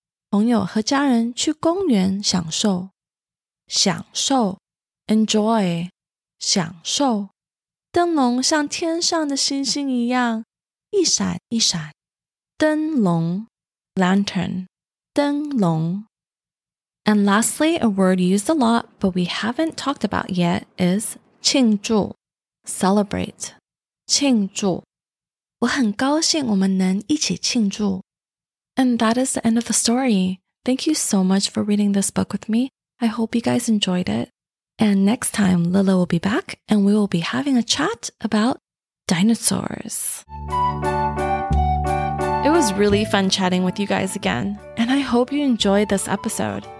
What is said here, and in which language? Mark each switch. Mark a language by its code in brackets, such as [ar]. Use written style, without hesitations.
[zh] 朋友和家人去公园享受。享受, [en] enjoy, [zh] 享受. 灯笼像天上的星星一样, 一闪一闪. [en] 灯笼 lantern, 灯笼 And lastly, a word used a lot but we haven't talked about yet is 庆祝 celebrate, [zh] 庆祝我很高兴我们能一起庆祝 [en] And that is the end of the story. Thank you so much for reading this book with me. I hope you guys enjoyed it. And next time, Lila will be back and we will be having a chat about dinosaurs. It was really fun chatting with you guys again, and I hope you enjoyed this episode.